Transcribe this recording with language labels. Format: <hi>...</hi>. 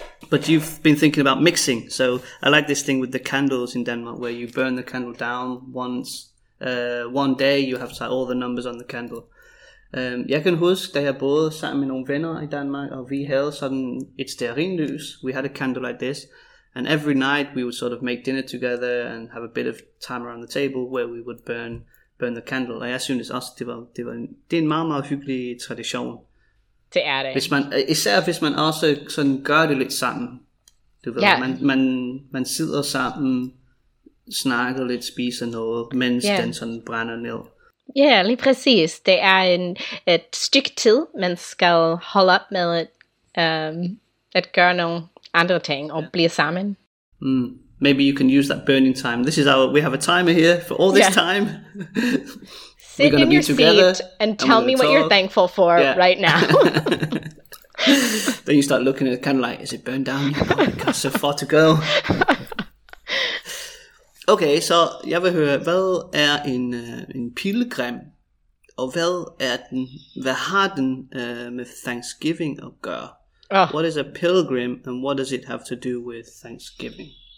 <en>But you've been thinking about mixing, so I like this thing with the candles in Denmark, where you burn the candle down once. One day you have all the numbers on the candle.</en> <da>Jeg kan huske, da jeg boede sammen med nogle venner i Danmark, og vi havde sådan et stearinlys.</da> <en>We had a candle like this, and every night we would sort of make dinner together and have a bit of time around the table where we would burn the candle.</en> <da>Og jeg synes også, det er en meget, meget hyggelig tradition. Det er det. Især hvis man også sådan gør det lidt sammen. Du ved, man sidder sammen, snakker lidt, spiser noget, mens den sådan brænder ned. Ja, lige præcis. Det er et stykke tid, man skal holde op med at gøre nogle andre ting og blive sammen. Mm.</da> <en>Maybe you can use that burning time. This is our, we have a timer here for all this time. Sit in your together, seat and tell me what you're thankful for right now. Then you start looking at it kind of like, is it burned down? Oh, God, so far to go.</en> <da>Okay, så jeg vil høre, hvad er en pilgrim? Og hvad er den? Hvad har den med Thanksgiving at gøre? Oh.</da> <en>What is a pilgrim and what does it have to do with Thanksgiving?</en>